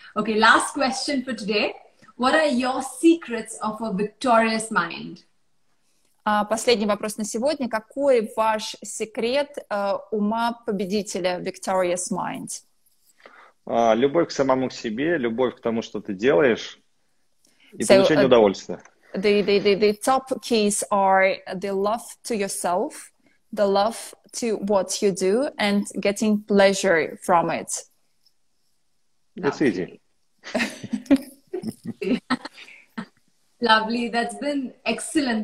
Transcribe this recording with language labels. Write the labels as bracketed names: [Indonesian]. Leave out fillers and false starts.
[English] Okay, last question for today. What are your secrets of a victorious mind? [Russian] Последний вопрос на сегодня. Какой ваш секрет ума победителя, [English] victorious mind? [Russian] Любовь к самому себе, любовь к тому, что ты делаешь, и so, получение удовольствия. [English] The top keys are the love to yourself, the love to what you do, and getting pleasure from it. That's easy. Lovely. That's been excellent.